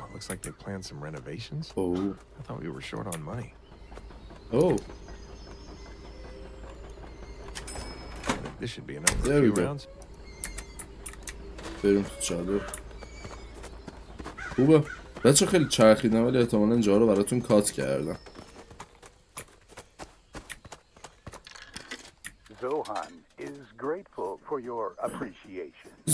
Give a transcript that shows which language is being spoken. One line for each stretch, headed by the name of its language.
English: Like they planned some renovations. Oh, I thought we were short on money. Oh, this should be enough for there few rounds.
Persian: بریم تو چادر. خوبه بچه خیلی چرخیدم ولی احتمالا جا رو براتون کات کردم.
English: Zohan is grateful for your appreciation.